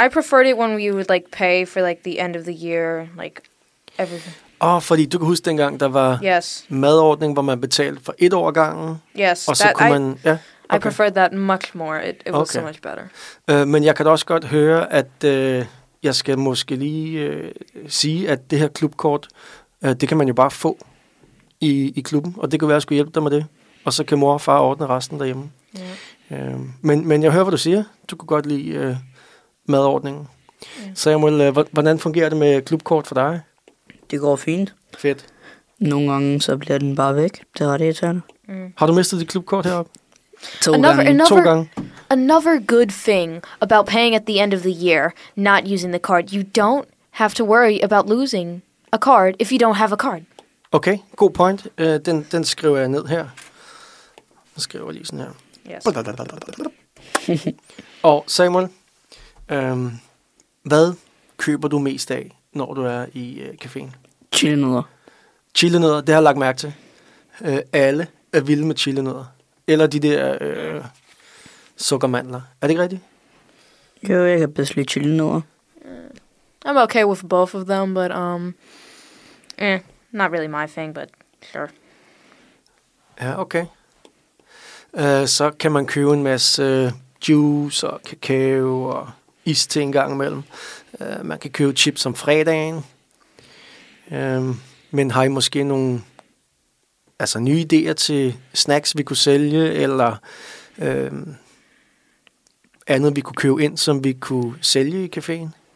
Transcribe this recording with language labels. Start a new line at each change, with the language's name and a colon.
English: I preferred it when we would, like, pay for, like, the end of the year, like, everything.
Danish: Og fordi du kan huske dengang, der var madordning, hvor man betalte for 1 år gangen.
English: Yes,
Danish: og så kunne man,
English: I preferred that much more. It was so much better.
Danish: Men jeg kan også godt høre, at jeg skal måske lige sige, at det her klubkort, det kan man jo bare få i klubben. Og det kan være, at jeg skulle hjælpe dig med det. Og så kan mor og far ordne resten derhjemme.
English: Yeah.
Danish: Men jeg hører, hvad du siger. Du kunne godt lide madordningen. Yeah. Så Samuel, hvordan fungerer det med klubkort for dig? Det går fint. Fedt. Nogle gange, så bliver den bare væk. Det var det, jeg tænker. Har du mistet dit klubkort herop? To gange.
English: Another good thing about paying at the end of the year, not using the card, you don't have to worry about losing a card, if you don't have a card.
Danish: Okay, god point. Den skriver jeg ned her. Jeg skriver lige sådan her.
English: Yes.
Danish: Og Samuel, hvad køber du mest af, når du er i caféen? Chilinødder. Chilinødder, det har jeg lagt mærke til. Alle er vilde med chilinødder. Eller de der sukkermandler. Er det ikke rigtigt? Jo, jeg kan bedst lide chilinødder.
English: I'm okay with both of them, but not really my thing, but sure.
Danish: Ja, okay. Så kan man købe en masse juice og kakao og is til en gang imellem. Man kan købe chips om fredagen. Men har I måske nogle altså nye idéer til snacks, vi kunne sælge, eller andet, vi kunne købe ind, som vi kunne sælge i caféen?